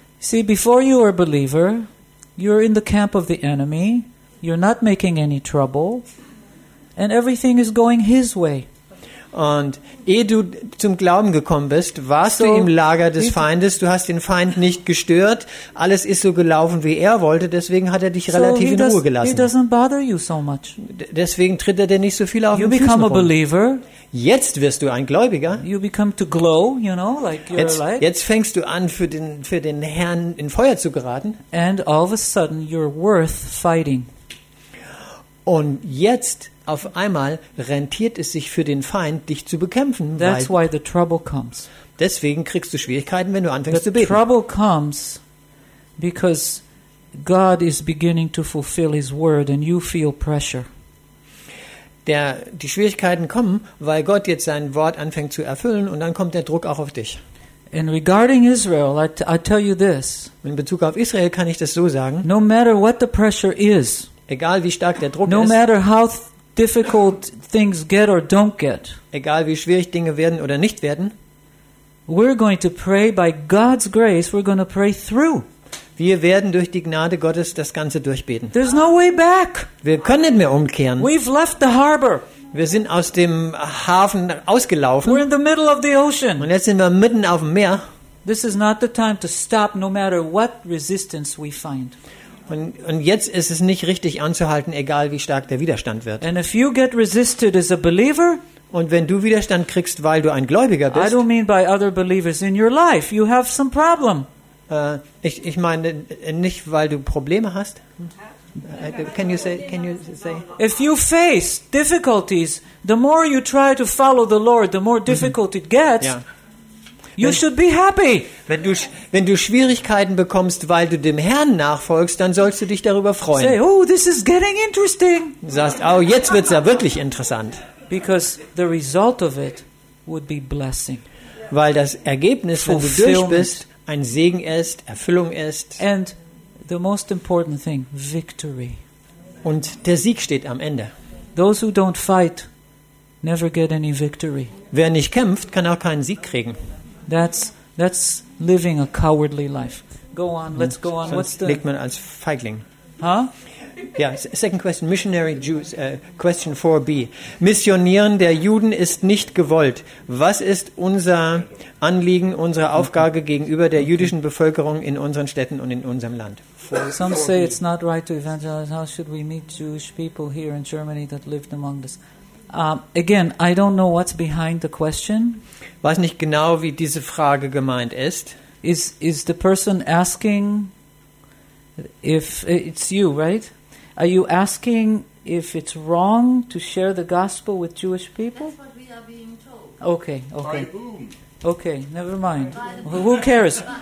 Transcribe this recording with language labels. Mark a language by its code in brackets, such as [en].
[en] See, before you are a believer, you're in the camp of the enemy, you're not making any trouble, and everything is going his way. [de] Und ehe du zum Glauben gekommen bist, warst du im Lager des Feindes, du hast den Feind nicht gestört, alles ist so gelaufen, wie er wollte, deswegen hat er dich relativ in Ruhe gelassen. [en] He doesn't bother you so much. [de] Deswegen tritt er dir nicht so viel auf den Füßen rum. [en] You become a believer. [de] Jetzt wirst du ein Gläubiger. [en] You become to glow, you know, like you're a light. [de] Jetzt fängst du an, für den Herrn in Feuer zu geraten. [en] And all of a sudden you're worth fighting. [de] Und jetzt auf einmal rentiert es sich für den Feind, dich zu bekämpfen. [en] That's why the trouble comes. [de] Deswegen kriegst du Schwierigkeiten, wenn du anfängst zu beten. [en] The trouble comes because God is beginning to fulfill his word and you feel pressure. [de] Die Schwierigkeiten kommen, weil Gott jetzt sein Wort anfängt zu erfüllen und dann kommt der Druck auch auf dich. [en] And regarding Israel, I tell you this. [de] In Bezug auf Israel kann ich das so sagen. [en] No matter what the pressure is. [de] Egal wie stark der Druck [en] no [de] ist. [en] No matter how difficult things get or don't get. [de] Egal wie schwierig Dinge werden oder nicht werden. [en] We're going to pray by God's grace, we're going to pray through. [de] Wir werden durch die Gnade Gottes das Ganze durchbeten. [en] There's no way back. [de] Wir können nicht mehr umkehren. [en] We've left the harbor. [de] Wir sind aus dem Hafen ausgelaufen. [en] We're in the middle of the ocean. [de] Und jetzt sind wir mitten auf dem Meer. [en] This is not the time to stop, no matter what resistance we find. [de] Und jetzt ist es nicht richtig anzuhalten, egal wie stark der Widerstand wird. [en] And if you get resisted as a believer, [de] und wenn du Widerstand kriegst, weil du ein Gläubiger bist, [en] I don't mean by other believers in your life, you have some problem. [de] Ich meine nicht, weil du Probleme hast. [en] Can you say? If you face difficulties, the more you try to follow the Lord, the more difficult it gets. [de] Ja. [en] You should be happy. [de] Wenn du Schwierigkeiten bekommst, weil du dem Herrn nachfolgst, dann sollst du dich darüber freuen. [en] Say, oh, this is getting interesting. [de] Sagst, oh, jetzt wird's ja wirklich interessant. [en] Because the result of it would be blessing. [de] Weil das Ergebnis, wenn du durch bist, ein Segen ist, Erfüllung ist. [en] And the most important thing, victory. [de] Und der Sieg steht am Ende. [en] Those who don't fight never get any victory. [de] Wer nicht kämpft, kann auch keinen Sieg kriegen. [en] That's living a cowardly life. Go on, let's go on. What's the [de] legt man als Feigling? Huh? [en] Yeah. Second question. Missionary Jews. Question 4b. [de] Missionieren der Juden ist nicht gewollt. Was ist unser Anliegen, unsere Aufgabe gegenüber der jüdischen Bevölkerung in unseren Städten und in unserem Land? [en] Some say it's not right to evangelize. How should we meet Jewish people here in Germany that lived among us? Again, I don't know what's behind the question. [de] Weiß nicht genau, wie diese Frage gemeint ist. [en] Is the person asking if it's you, right? Are you asking if it's wrong to share the gospel with Jewish people? That's what we are being told. Okay, okay. By whom? Okay, never mind. Who cares?